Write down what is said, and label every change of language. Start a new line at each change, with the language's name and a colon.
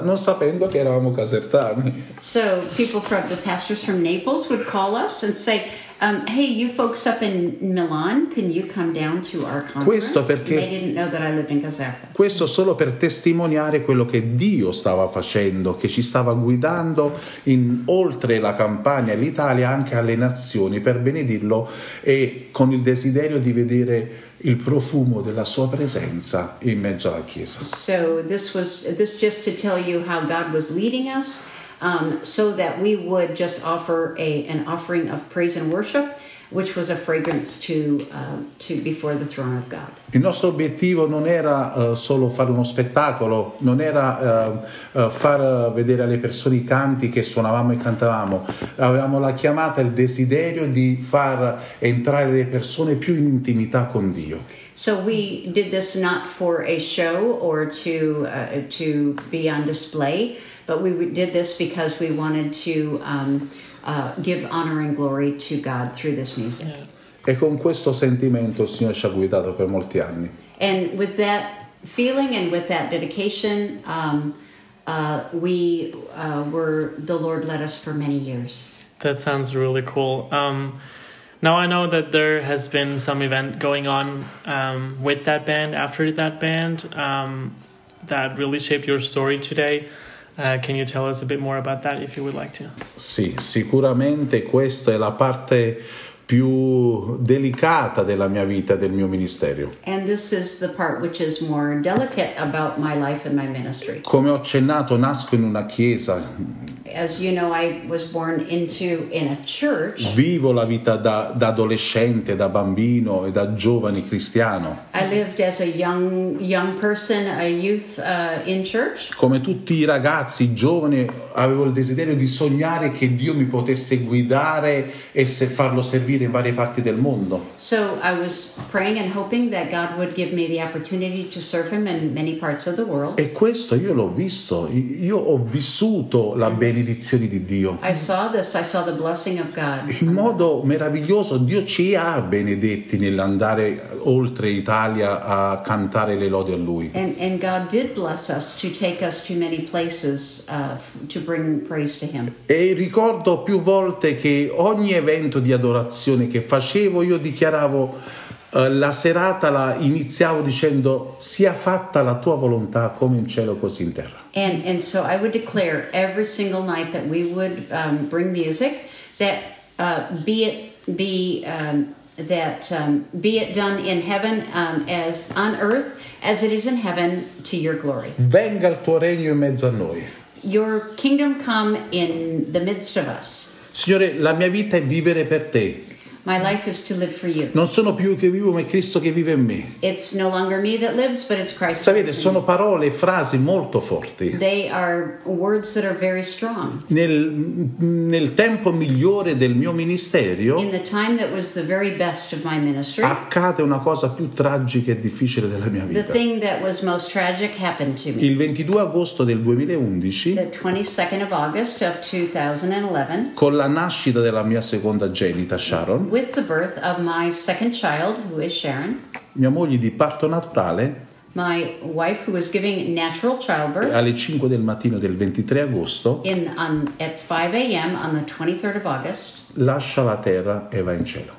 Italian: Non sapendo che eravamo casertani.
English: So people from the pastors from Naples would call us and say, hey, you folks up in Milan, can you come down to our conference?
Italian: Questo perché,
English: they didn't know that I lived in Caserta.
Italian: Questo solo per testimoniare quello che Dio stava facendo, che ci stava guidando in oltre la Campania, l'Italia, anche alle nazioni, per benedirlo e con il desiderio di vedere il profumo della sua presenza in mezzo alla Chiesa.
English: So this just to tell you how God was leading us. So that we would just offer an offering of praise and worship, which was a fragrance to before the throne of God.
Italian: Il nostro obiettivo non era solo fare uno spettacolo, non era far vedere alle persone i canti che suonavamo e cantavamo. Avevamo la chiamata, il desiderio di far entrare le persone più in intimità con Dio.
English: So we did this not for a show or to be on display, but we did this because we wanted to give honor and glory to God through this music.
Italian: E con questo sentimento il Signore ci ha guidato per molti anni.
English: And with that feeling and with that dedication, the Lord led us for many years. That sounds really cool. Now I know that there has been some event going on with that band, after that band, that really shaped your story today. Can you tell us a bit more about that if you would like to?
Italian: Sì, sicuramente questa è la parte più delicata della mia vita, del mio ministerio.
English: And this is the part which is more delicate about my life and my ministry.
Italian: Come ho accennato, nasco in una chiesa.
English: As you know, I was born in a church.
Italian: Vivo la vita da adolescente, da bambino e da giovane cristiano.
English: I lived as a young person, a youth in church.
Italian: Come tutti i ragazzi, giovani, avevo il desiderio di sognare che Dio mi potesse guidare e farlo servire in varie parti del mondo.
English: So I was praying and hoping that God would give me the opportunity to serve Him in many parts of the world.
Italian: E questo io l'ho visto. Io ho vissuto la benedizione di Dio.
English: I saw this, I saw the blessing of God.
Italian: In modo meraviglioso Dio ci ha benedetti nell'andare oltre Italia a cantare le lodi a Lui.
English: And God did bless us to take us to many places to bring praise to Him.
Italian: E ricordo più volte che ogni evento di adorazione che facevo io dichiaravo la serata la iniziavo dicendo sia fatta la tua volontà come in cielo così in terra.
English: And so I would declare every single night that we would bring music that be it done in heaven as on earth as it is in heaven to your glory.
Italian: Venga il tuo regno in mezzo a noi.
English: Your kingdom come in the midst of us.
Italian: Signore, la mia vita è vivere per te.
English: My life is to live for you.
Italian: Non sono più che vivo, ma è Cristo che vive in me.
English: It's no longer me that lives, but it's Christ.
Italian: Sapete, sono parole e frasi molto forti.
English: They are words that are very strong.
Italian: Nel tempo migliore del mio ministero,
English: in the time that was the very best of my ministry,
Italian: accade una cosa più tragica e difficile della mia vita.
English: The thing that was most tragic happened to me.
Italian: Il 22 agosto del 2011,
English: the 22nd of August of 2011,
Italian: con la nascita della mia seconda genita Sharon,
English: with the birth of my second child, who is Sharon,
Italian: mia moglie di parto naturale,
English: My wife, who was giving natural childbirth,
Italian: alle 5 del mattino del 23 agosto,
English: at 5 a.m. on the 23rd of August,
Italian: lascia la terra e va in cielo.